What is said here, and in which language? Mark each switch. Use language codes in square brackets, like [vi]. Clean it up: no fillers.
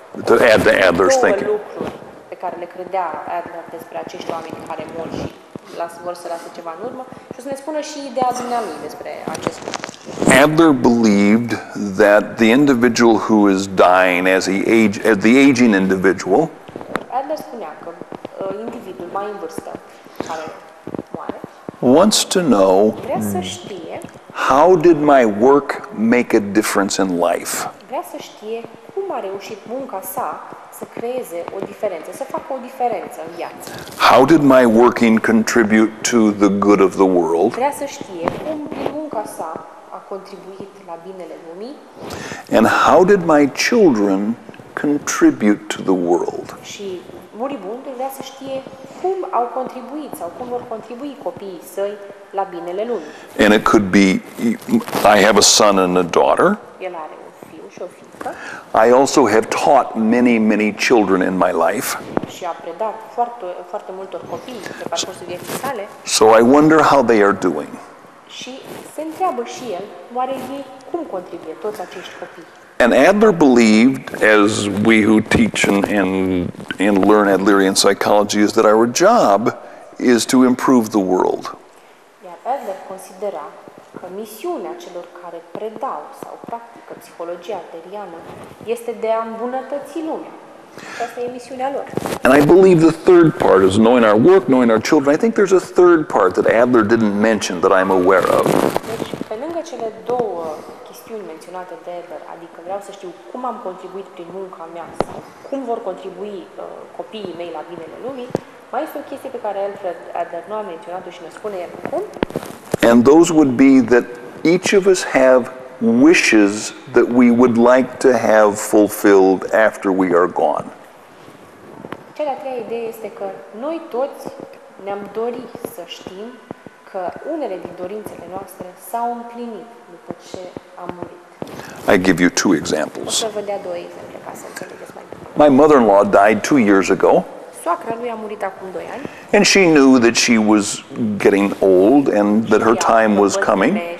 [en] To add to Adler's thinking. [ro] Pe care le credea Adler despre acești oameni care mor și vor să lase ceva în urmă și o să ne spună și ideea dumneavoastră despre acest lucru. [en] Adler believed that the individual who is dying as he age, as the aging individual, [ro] Adler spunea că individul mai în vârstă care moare [en] wants to know, [ro] vrea să știe, [en] how did my work make a difference in life? [ro] Vrea să știe cum a reușit munca sa să creeze o diferență, să facă o diferență în viață. [en] How did my working contribute to the good of the world? [ro] Vrea să știe cum munca sa a contribuit la binele lumii. [en] And how did my children contribute to the world? [ro] Și moribund vrea să știe cum au contribuit sau cum vor contribui copiii săi la binele lumii. [en] And it could be, I have a son and a daughter. [ro] El are un fiu și o fiică. [en] I also have taught many, many children in my life. [ro] Și a predat foarte, foarte multor copii pe parcursul vieții sale. [en] So I wonder how they are doing. [ro] Și se întreabă și el, oare ei cum contribuie toți acești copii? [en] And Adler believed, as we who teach and learn Adlerian psychology, is that our job is to improve the world. [ro] Iar Adler considera că misiunea celor care predau sau practică psihologia adleriană este de a îmbunătăți lumea. Asta e misiunea lor. [en] And I believe the third part is knowing our work, knowing our children. I think there's a third part that Adler didn't mention that I'm aware of. [ro] Deci, pe lângă cele două chestiuni menționate de Adler, adică vreau să știu cum am contribuit prin munca mea sau cum vor contribui copiii mei la binele lumii, mai este o chestie pe care Adler nu a menționat-o și ne spune el acum. [en] And those would be that each of us have wishes that we would like to have fulfilled after we are gone. [ro] Cea de-a treia idee este că noi toți ne-am dori să știm că unele din dorințele noastre s-au împlinit după ce am murit. [en] I give you two examples. [ro] O să vă dea două exemple ca să înțelegeți mai bine. [en] My mother-in-law died 2 years ago. [ro] Soacra lui a murit acum 2 ani. [en] And she knew that she was getting old and that her time was coming.